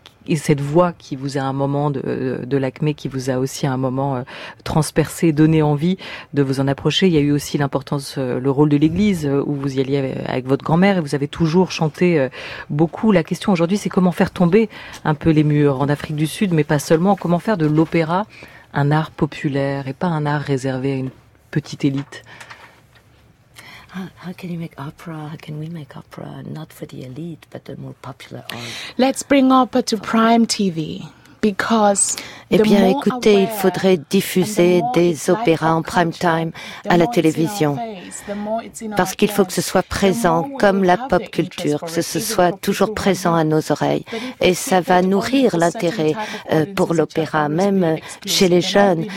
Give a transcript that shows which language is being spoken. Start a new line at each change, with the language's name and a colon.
French: Et cette voix qui vous a un moment de Lakmé, qui vous a aussi un moment transpercé, donné envie de vous en approcher. Il y a eu aussi l'importance, le rôle de l'église où vous y alliez avec votre grand-mère et vous avez toujours chanté beaucoup. La question aujourd'hui, c'est comment faire tomber un peu les murs en Afrique du Sud, mais pas seulement. Comment faire de l'opéra un art populaire et pas un art réservé à une petite élite?
English: How can you make opera? How can we make opera not for the elite, but the more popular art? Let's bring opera to prime TV. Because
French: eh bien, écoutez, il faudrait diffuser des opéras en prime time à la télévision. Parce qu'il faut que ce soit présent, comme la pop culture, que ce soit toujours présent à nos oreilles. Et ça va nourrir l'intérêt pour l'opéra, même chez les jeunes.